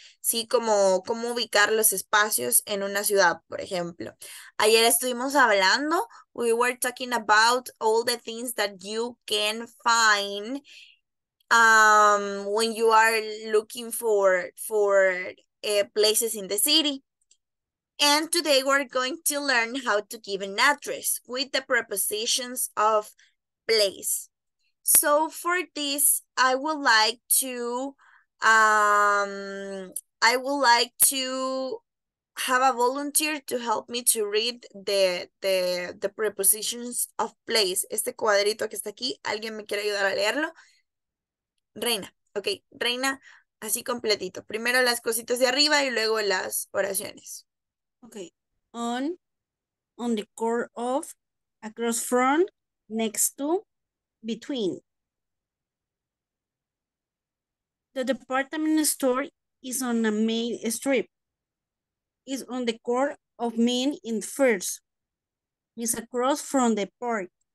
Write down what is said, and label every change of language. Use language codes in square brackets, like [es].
[es] Sí, como ubicar los espacios en una ciudad, por ejemplo. Ayer estuvimos hablando, [en] we were talking about all the things that you can find when you are looking for places in the city. And today we're going to learn how to give an address with the prepositions of place. So for this, I would like to have a volunteer to help me to read the prepositions of place. [es] Este cuadrito que está aquí, ¿alguien me quiere ayudar a leerlo? Reina, okay, Reina, así completito. Primero las cositas de arriba y luego las oraciones. [en] Okay, on the core of, across from, next to, between. The department store is on a main strip. It's on the core of Main and First. It's across from the park.